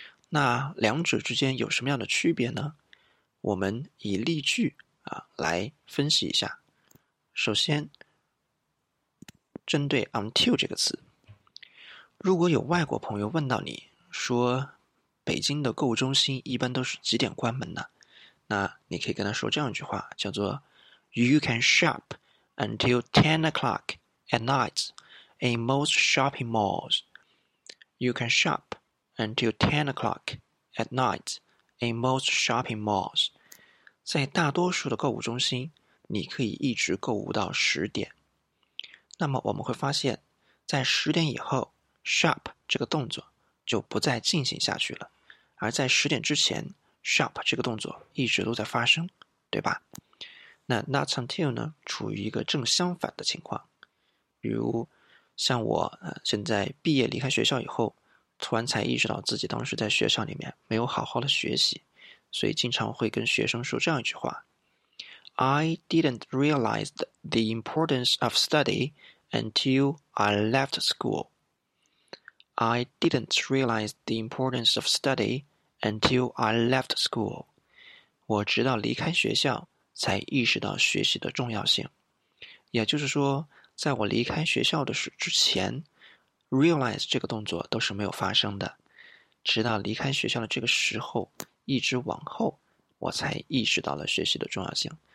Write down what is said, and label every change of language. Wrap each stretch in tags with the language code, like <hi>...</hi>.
<zh>那两者之间有什么样的区别呢？我们以例句啊来分析一下。首先针对 until 这个词，如果有外国朋友问到你说，北京的购物中心一般都是几点关门呢？那你可以跟他说这样一句话，叫做</zh> <en>"You can shop until 10 o'clock at night in most shopping malls." You can shop until 10 o'clock at night in most shopping malls.</en> <zh>在大多数的购物中心，你可以一直购物到10点。那么我们会发现，在10点以后，shop 这个动作就不再进行下去了，而在10点之前，shop 这个动作一直都在发生，对吧？那 not until 呢，处于一个正相反的情况。比如，像我现在毕业离开学校以后，突然才意识到自己当时在学校里面没有好好的学习，所以经常会跟学生说这样一句话：</zh> <en>I didn't realize the importance of study until I left school. I didn't realize the importance of study until I left school.</en> <zh>我直到离开学校才意识到学习的重要性。也就是说，在我离开学校的时之前，realize 这个动作都是没有发生的。直到离开学校的这个时候，一直往后，我才意识到了学习的重要性。</zh>